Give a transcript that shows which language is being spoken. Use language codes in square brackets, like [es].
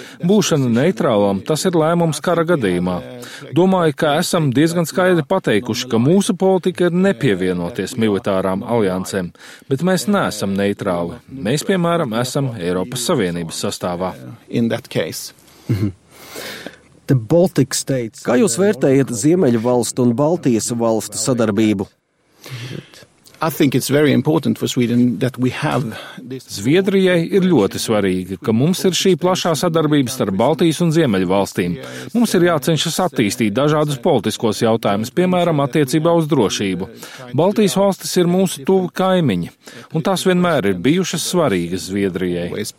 [lv] Būšana neitrālam, tas ir lēmums kara gadījumā. Domāju, ka esam diezgan skaidri pateikuši, ka mūsu politika ir nepievienoties militārām aliansēm, bet mēs neesam neitrāli. Mēs, piemēram, esam Eiropas Savienības sastāvā. Kā jūs vērtējat Ziemeļu valstu un Baltijas valstu sadarbību? [en] I think it's very important for Sweden that we have this. [lv] Zviedrijai ir ļoti svarīgi, ka mums ir šī plašā sadarbība starp Baltijas un Ziemeļu valstīm. Mums ir jācenšas attīstīt dažādus politiskos jautājumus, piemēram, attiecībā uz drošību. Baltijas valstis ir mūsu tuvi kaimiņi, un tās vienmēr ir bijušas svarīgas Zviedrijai.